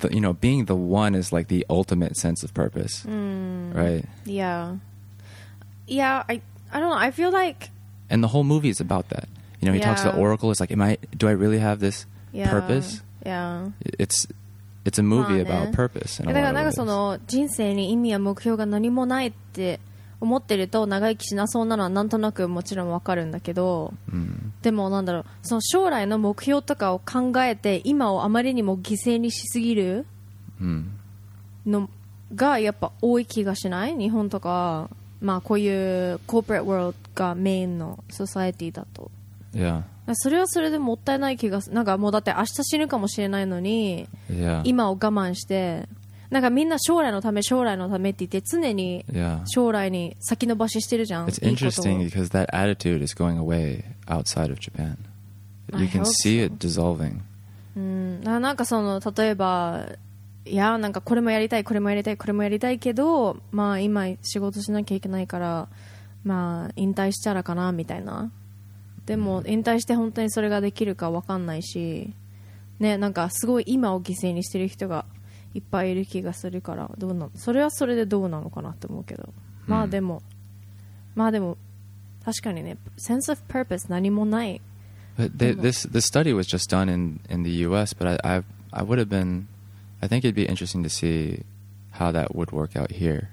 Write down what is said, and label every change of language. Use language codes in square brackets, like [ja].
[en] The, you know, being the one is like the ultimate sense of purpose. Mm. Right? Yeah. Yeah, I don't know. I feel like... And the whole movie is about that. You know, he talks to the Oracle. It's like, do I really have this purpose? Yeah. It's a movie about purpose in a lot of ways. [ja] だからなんかその人生に意味や目標が何もないって思ってると長生きしなそうなのはなんとなくもちろんわかるんだけど、うん、でもなんだろう、その将来の目標とかを考えて今をあまりにも犠牲にしすぎるのがやっぱ多い気がしない？日本とか、まあこういうコーポレートワールドがメインのソサエティだと。いや。それはそれでもったいない気がする。なんかもうだって明日死ぬかもしれないのに、 [en] yeah. [ja] 今を我慢して、なんかみんな将来のため将来のためって言って常に将来に先延ばししてるじゃん。 [en] It's interesting because that attitude is going away outside of Japan. You can see it dissolving. [ja] なんかその例えば、いやなんかこれもやりたいこれもやりたいこれもやりたいけど、まあ今仕事しなきゃいけないから、まあ引退したらかなみたいな。でも引退して本当にそれができるか分かんないし、ね、なんかすごい今を犠牲にしてる人がいっぱいいる気がするから、どうなの、それはそれでどうなのかなと思うけど、まあでも、まあでも確かにね、 [en] sense of purpose [ja] 何もない。 [en] But this study was just done in the US, but I would have been, I think it'd be interesting to see how that would work out here.